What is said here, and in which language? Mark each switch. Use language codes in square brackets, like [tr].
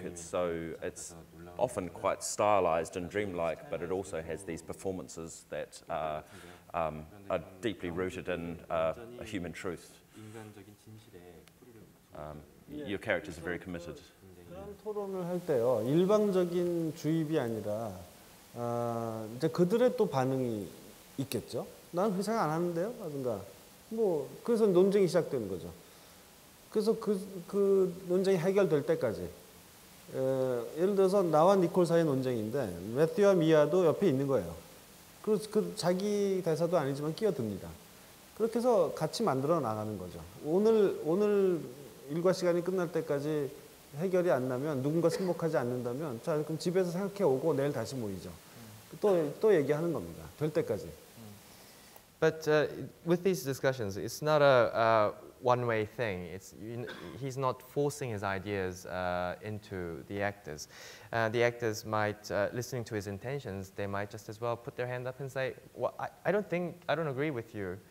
[en] It's often quite stylized and dreamlike, but it also has these performances that are deeply rooted in a human truth. Your characters are very committed. [ko] 토론을 할 때요, 일방적인 주입이 아니라 이제 그들의 또 반응이 있겠죠. 나는 그렇게 생각 안 하는데요, 라든가. 뭐 그래서 논쟁이 시작되는 거죠. 그래서 그 논쟁이 해결될 때까지, 예를 들어서 나와 니콜 사이의 논쟁인데 매튜와 미아도 옆에 있는 거예요. 그래서 그 자기 대사도 아니지만 끼어듭니다. 그렇게 해서 같이 만들어 나가는 거죠. 오늘 일과 시간이 끝날 때까지 해결이 안 나면, 누군가 승복하지 않는다면, 자, 그럼 집에서 생각해 오고 내일 다시 모이죠. 또 얘기하는 겁니다. 될 때까지. [en] But with these discussions, it's not a one-way thing. It's, you know, he's not forcing his ideas into the actors. The actors might, listening to his intentions, they might just as well put their hand up and say, well, I don't agree with you.